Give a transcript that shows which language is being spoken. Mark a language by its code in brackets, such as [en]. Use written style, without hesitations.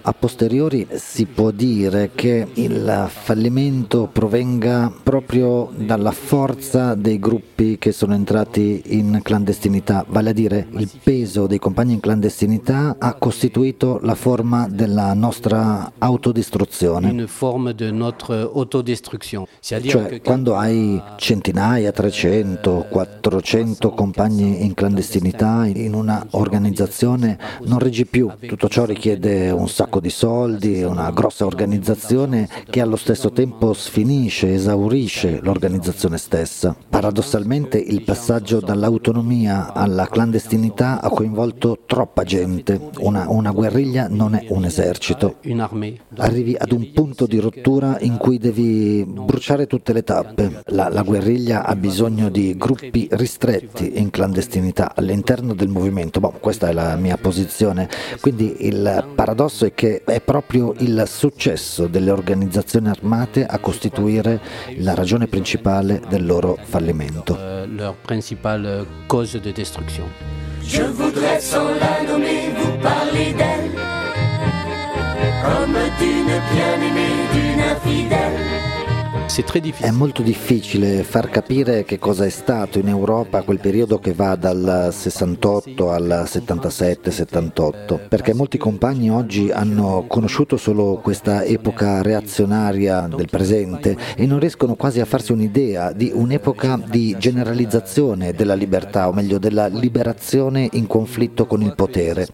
[it] A posteriori si può dire che il fallimento provenga proprio dalla forza dei gruppi che sono entrati in clandestinità, vale a dire il peso dei compagni in clandestinità ha costituito la forma della nostra autodistruzione. [fr] Une forme de notre autodestruction. [it] Cioè, quando hai centinaia, 300, 400 compagni in clandestinità in una organizzazione, non reggi più. Tutto ciò richiede un sacco di soldi, una grossa organizzazione che allo stesso tempo sfinisce, esaurisce l'organizzazione stessa. Paradossalmente, il passaggio dall'autonomia alla clandestinità ha coinvolto troppa gente. Una guerriglia non è un esercito. Arrivi ad un punto di rottura in cui devi bruciare tutte le tappe. La guerriglia ha bisogno di gruppi ristretti in clandestinità all'interno del movimento. Boh, questa è la mia posizione. Quindi il paradosso è che è proprio il successo delle organizzazioni armate a costituire la ragione principale del loro fallimento. La principale causa di distruzione. [fr] Je voudrais sans la nommer vous parler d'elle, comme d'une bien-aimée, d'une infidèle. [it] È molto difficile far capire che cosa è stato in Europa quel periodo che va dal 68 al 77-78, perché molti compagni oggi hanno conosciuto solo questa epoca reazionaria del presente e non riescono quasi a farsi un'idea di un'epoca di generalizzazione della libertà, o meglio della liberazione in conflitto con il potere.